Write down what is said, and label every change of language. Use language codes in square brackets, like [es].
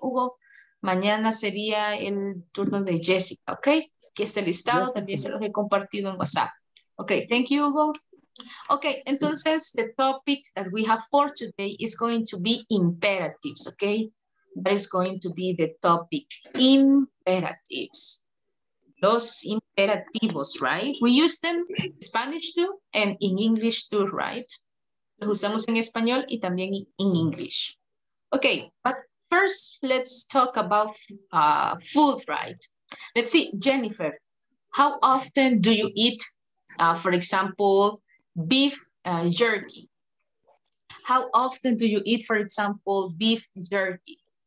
[es] Hugo, mañana sería el turno de Jessica, okay? Que este listado también se los he compartido en WhatsApp. [en] Okay, thank you, Hugo. Okay, entonces, the topic that we have for today is going to be imperatives, okay? That is going to be the topic, imperatives. [es] Los imperativos, [en] right? We use them in Spanish too and in English too, right? [es] Los usamos en español y también [en] in English. Okay, but first let's talk about food, right? Let's see, Jennifer, how often do you eat, for example, beef jerky? How often do you eat, for example, beef jerky?